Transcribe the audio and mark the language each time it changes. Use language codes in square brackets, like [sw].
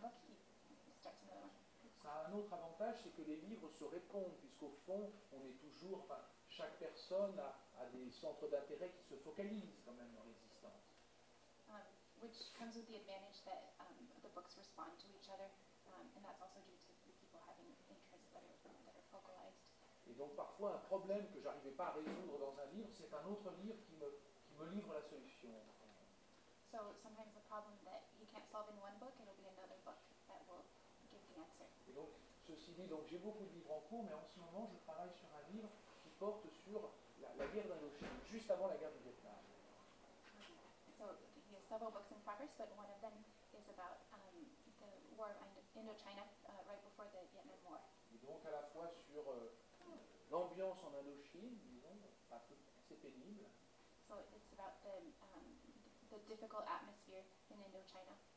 [fr] un autre avantage, c'est que les livres se répondent, puisqu'au fond, on est toujours, enfin, chaque personne a des centres d'intérêt qui se focalisent quand même dans l'existence. [en] Which comes with the advantage that the books respond to each other, and that's also due to the people having interests that are focalized. [fr] Et donc parfois un problème que j'arrivais pas à résoudre dans un livre, c'est un autre livre qui me livre la solution. [en] So sometimes a problem that you can't solve in one book, it'll be another book that will give the answer. [fr] Et donc ceci dit, donc j'ai beaucoup de livres en cours, mais en ce moment je travaille sur un livre qui porte sur la guerre d'Indochine, juste avant la guerre du Vietnam. [en] So several books in progress, but one of them is about the war in Indochina right before the Vietnam War. [fr] Et donc à la fois sur l'ambiance en Indochine, disons, c'est pénible. [en] So it's about the difficult atmosphere in Indochina.